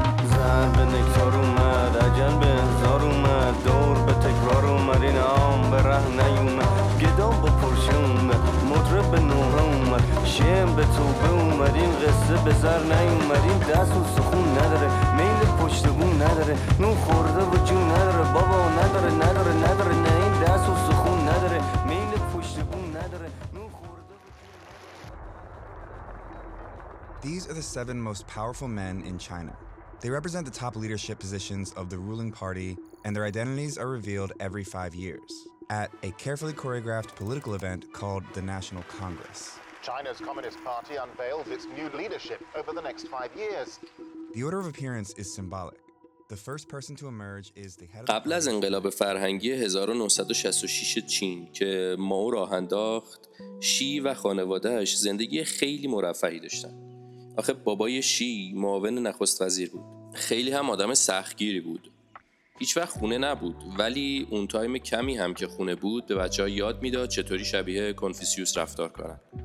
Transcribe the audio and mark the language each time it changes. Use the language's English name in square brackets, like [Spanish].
[Persian] زهر به نکتار اومد، عجل به انذار اومد، دور به تکرار اومد، این آم به ره نیومد، گدام به پرشه اومد، مطرب به نوه اومد، شم به توبه اومد، این قصه به سر نیومد. این دست و سخون نداره، میل پشت بون نداره، نون خورده و جون نداره، بابا نداره نداره نداره. نه این دست و سخون نداره، میل پشت بون نداره، نون خورده و جون. [English] These are the seven most powerful men in China. They represent the top leadership positions of the ruling party, and their identities are revealed every 5 years at a carefully choreographed political event called the National Congress. China's Communist Party unveils its new leadership over the next 5 years. The order of appearance is symbolic. The first person to emerge is the head of [Persian] قبل از انقلاب فرهنگی 1966 چین که ماو راه انداخت، شی و خانواده‌اش زندگی خیلی مرفهی داشتند. آخه بابای شی معاون نخست وزیر بود. خیلی هم آدم سختگیری بود. هیچ وقت خونه نبود، ولی اون تایم کمی هم که خونه بود به بچه ها یاد میداد چطوری شبیه کنفیسیوس رفتار کنن.